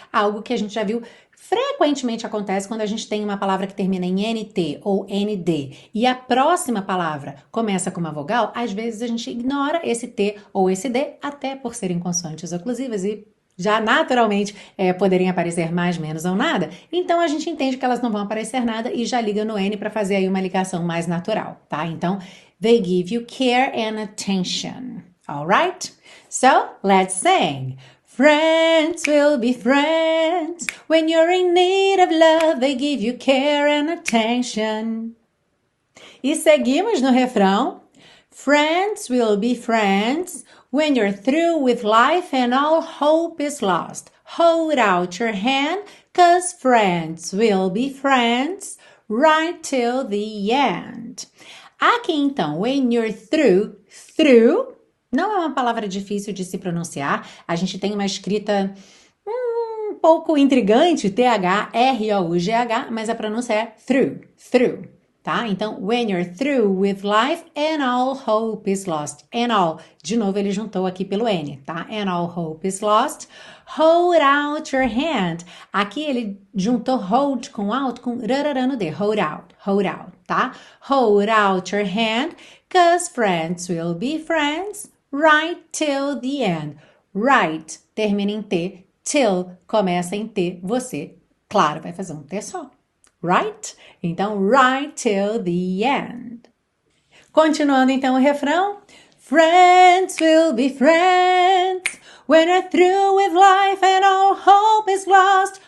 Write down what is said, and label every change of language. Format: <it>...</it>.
<pt>Algo que a gente já viu frequentemente acontece quando a gente tem uma palavra que termina em NT ou ND e a próxima palavra começa com uma vogal, às vezes a gente ignora esse T ou esse D, até por serem consoantes oclusivas e já naturalmente poderem aparecer mais, menos ou nada. Então a gente entende que elas não vão aparecer nada e já liga no N para fazer aí uma ligação mais natural, tá? Então,</pt> <en>they give you care and attention, all right? So, let's sing. Friends will be friends. When you're in need of love, they give you care and attention.</en> <pt>E seguimos no refrão.</pt> <en>Friends will be friends. When you're through with life and all hope is lost, hold out your hand, 'cause friends will be friends right till the end.</en> <pt>Aqui então,</pt> <en>when you're through,</en> <pt>não é uma palavra difícil de se pronunciar. A gente tem uma escrita um pouco intrigante, THRUGH, mas a pronúncia é through, tá? Então,</pt> <en>when you're through with life and all hope is lost. And all,</en> <pt>de novo ele juntou aqui pelo N, tá?</pt> <en>And all hope is lost, hold out your hand.</en> <pt>Aqui ele juntou hold com out com rarara no D,</pt> <en>hold out.</en> <pt>Tá?</pt> <en>Hold out your hand, 'cause friends will be friends right till the end.</en> <pt>Right termina em T, till começa em T, você, claro, vai fazer um T só.</pt> <en>Right?</en> <pt>Então,</pt> <en>right till the end.</en> <pt>Continuando então o refrão.</pt> <en>Friends will be friends when you're through with life and all hope is lost.</en>